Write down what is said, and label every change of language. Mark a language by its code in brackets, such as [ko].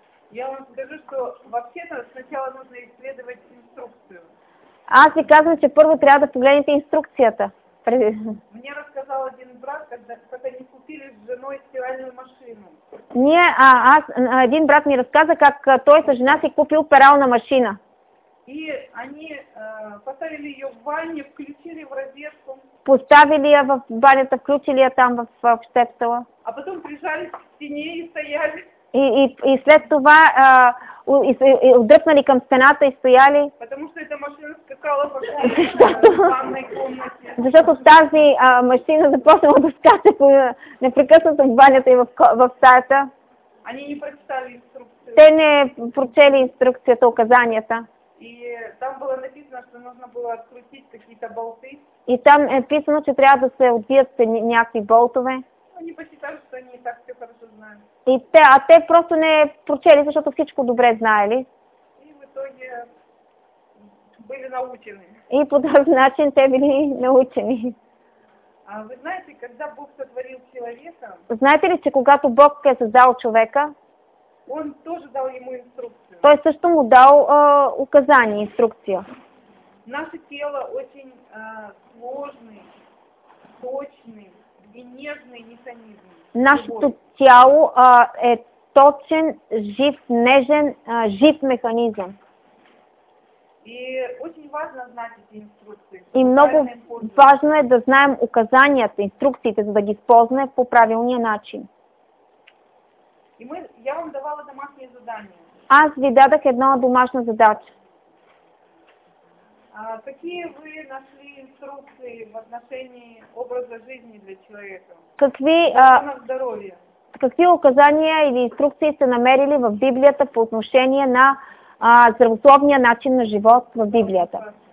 [ru] Я вам скажу, что вообще-то сначала нужно исследовать инструкцию. [bg] Аз ви казвам, че първо трябва да погледнете инструкцията. [ru] Мне рассказал один брат, как они купили с женой стиральную машину. [bg] Един брат ми разказа, как той с жена си купил перална машина. [ru] И они поставили ее в ванне, включили в розетку. [bg] Поставили я в банята, включили я там в штепсела. [ru] А потом прижались к стене и стояли. [bg] И след това удръпнали към стената и стояли. [ru] Потому что эта машина скакала по защото, в ванной комнате. [bg] Защото тази машина започнала да скача непрекъснато в банята и в стаята. [ru] Они не прочитали инструкцията. [bg] Те не прочели инструкцията, указанията. [ru] И там было написано, что нужно было открутить какие-то болты. [bg] И там е писано, че трябва да се отбият някакви болтове. [ru] Они посчитали, что они и так все хорошо знают. [bg] А те просто не прочели, защото всичко добре знаели. [ru] И в итоге были научены. [bg] И по този начин те били научени. [ru] А вы знаете, когда Бог сотворил человека? [bg] Знаете ли, че когато Бог е създал човека? [ru] Он тоже дал ему инструкцию. [bg] Той също му дал указание, инструкция. [ru] Наше тело очень сложный, точный. И нежный, [bg] нашето тяло е точен, жив, нежен, жив механизъм. [ru] И очень важно знать эти инструкции. [bg] И много важно е да знаем указанията, инструкциите, за да ги използваме по правилния начин. [ru] И я вам давала домашнее задание. [bg] Аз ви дадах една домашна задача. [ru] Какие вы нашли инструкции в отношении образа жизни для человека? [bg] Какви указания или инструкции сте намерили в Библията по отношение на здравословния начин на живот в Библията?